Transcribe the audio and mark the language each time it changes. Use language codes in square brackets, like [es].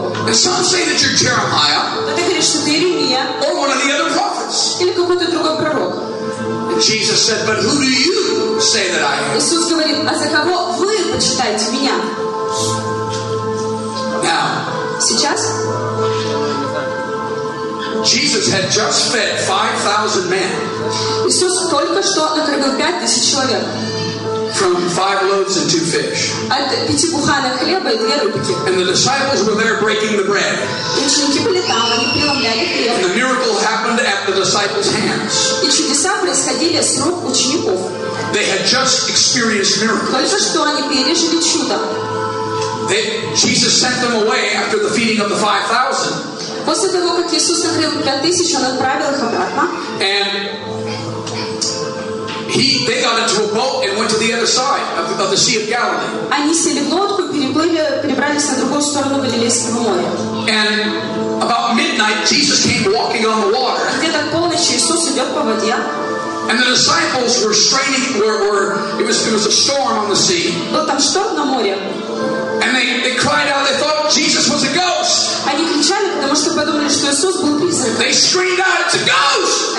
[en] And some say that you're Jeremiah, or one of the other prophets. And Jesus said, "But who do you say that I am?" [ru] Иисус говорит, а за кого вы почитаете меня? [en] Now, [ru] сейчас [en] Jesus had just fed 5,000 men. [ru] Иисус только что накормил 5,000 человек. [en] From 5 loaves and 2 fish. [ru] От 5 буханок хлеба и 2 рыбки. [en] And the disciples were there breaking the bread. [ru] Ученики были там, они преломляли хлеб. [en] And the miracle happened at the disciples' hands. [ru] И чудеса происходили с рук учеников. [en] They had just experienced miracles. [ru] Только что они пережили чудо. [en] Jesus sent them away after the feeding of the 5,000. [ru] После того, как Иисус накрыл 5,000, он отправил их обратно. [en] And they got into a boat and went to the other side of the Sea of Galilee. [ru] Они сели в лодку, перебрались на другую сторону Галилейского моря. [en] And about midnight, Jesus came walking on the water. [ru] Где-то к полночи Иисус идет по воде. [en] And the disciples were straining. It was a storm on the sea. [ru] Был там шторм на море. [en] And they cried out. They thought Jesus was a ghost. [ru] Они кричали, потому что подумали, что Иисус был призрак. [en] They screamed out, "It's a ghost!"